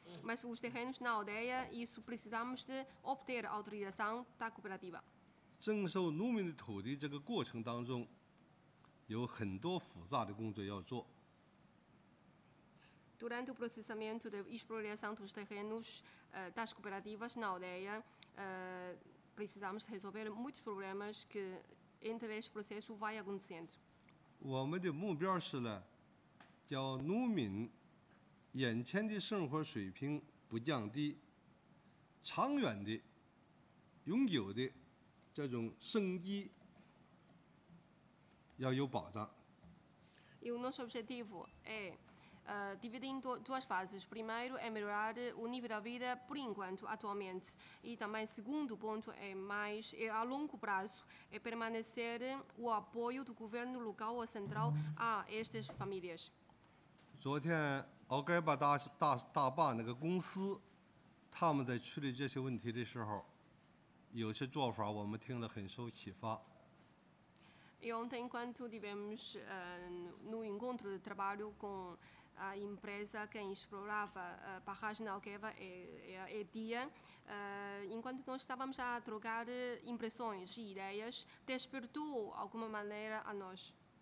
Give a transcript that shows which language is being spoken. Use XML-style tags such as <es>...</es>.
<pt>Mas os terrenos na aldeia, isso precisamos de obter autorização da cooperativa.</pt> <zh>征收农民的土地这个过程当中，有很多复杂的工作要做。</zh> <pt>Durante o processamento de exploração dos terrenos das cooperativas na aldeia, precisamos resolver muitos problemas que entre este processo vai acontecendo.</pt> <zh>我们的目标是呢，叫农民眼前的生活水平不降低，长远的、永久的这种生机要有保障。</zh> <pt>E o nosso objetivo é dividido em duas fases. Primeiro é melhorar o nível da vida por enquanto, atualmente. E também, segundo ponto, é a longo prazo, é permanecer o apoio do governo local ou central a estas famílias.</pt> <zh>昨天奥盖巴大坝那个公司，他们在处理这些问题的时候，有些做法我们听了很受启发。</zh> <pt>E ontem, enquanto tivemos no encontro de trabalho com a empresa que explorava a barragem de Alqueva e Dia, enquanto nós estávamos a trocar impressões e ideias, despertou alguma maneira a nós.</pt>